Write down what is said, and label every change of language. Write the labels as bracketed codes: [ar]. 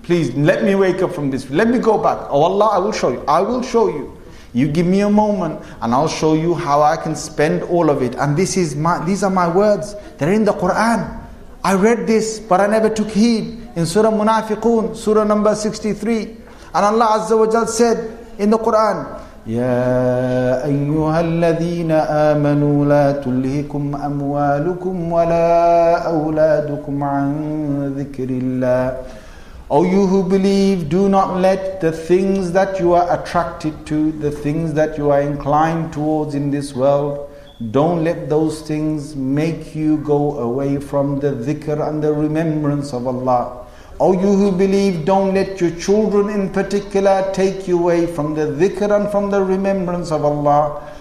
[en] Please, let me wake up from this. Let me go back. Oh Allah, I will show you. You give me a moment and I'll show you how I can spend all of it. And these are my words. They're in the Quran. I read this, but I never took heed. In Surah Munafiqun, Surah number 63. And Allah Azza wa Jal said in the Quran, [ar] يا أيها الذين آمنوا لا تلهكم أموالكم ولا أولادكم عن ذكر الله. [en] O you who believe, do not let the things that you are attracted to, the things that you are inclined towards in this world, don't let those things make you go away from the dhikr and the remembrance of Allah. O you who believe, don't let your children in particular take you away from the dhikr and from the remembrance of Allah.